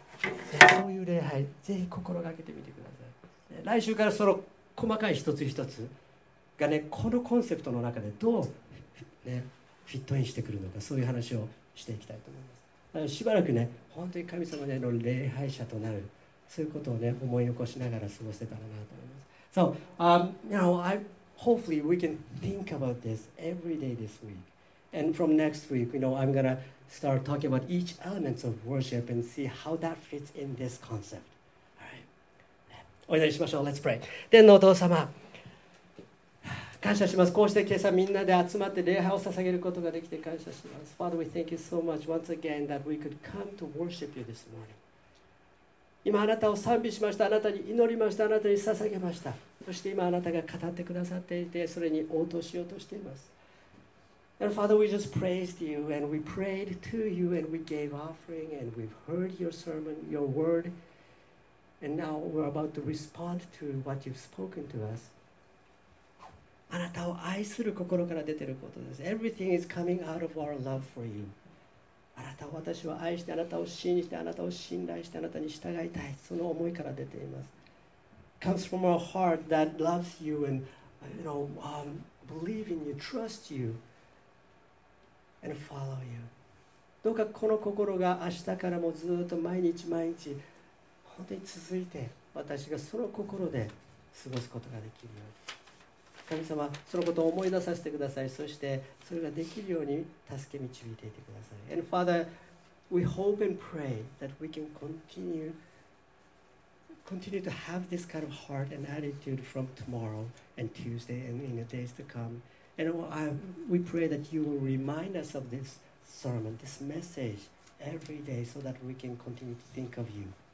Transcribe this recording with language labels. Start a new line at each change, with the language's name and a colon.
Japanese: ね、そういう礼拝、ぜひ心がけてみてください。ね、来週からその細かい一つ一つ、がね、このコンセプトの中でどう、ね、フィットインしてくるのか、そういう話をしていきたいと思います。しばらくね、本当に神様の礼拝者となる、そういうことをね、思い起こしながら過ごせたらなと思います。
English: So, you know, hopefully we can think about this every day this week. And from next week, you know, I'm going to start talking about each element of worship and see how that fits in this concept. All right.
Japanese: お祈りしましょう。
English: Let's pray.
Japanese: 天のお父様、感謝します。こうして今朝みんなで集まって礼拝を捧げることができて感謝します。
English: Father, we thank you so much once again that we could come to worship you this morning.
Japanese: 今あなたを賛美しました。あなたに祈りました。あなたに捧げました。そして今あなたが語ってくださっていて、それに応答しようとしています。
English: And Father, we just praised you and we prayed to you and we gave offering and we've heard your sermon, your word. And now we're about to respond to what you've spoken to us.
Japanese: あなたを愛する心から出ていることです。
English: Everything is coming out of our love for you.
Japanese: あなたを私は愛して、あなたを信じて、あなたを信頼して、あなたに従いたい。その思いから出ています。
English: Comes from our heart that loves you and, you know, believe in you, trust you, and follow you.
Japanese: どうかこの心が明日からもずっと毎日毎日、本当に続いて、私がその心で過ごすことができるように。神様、そのことを思い出させてください。そして、それができるように助け導いていてください。
English: And Father, we hope and pray that we can continue to have this kind of heart and attitude from tomorrow and Tuesday and in the days to come. And we pray that you will remind us of this sermon, this message every day so that we can continue to think of you.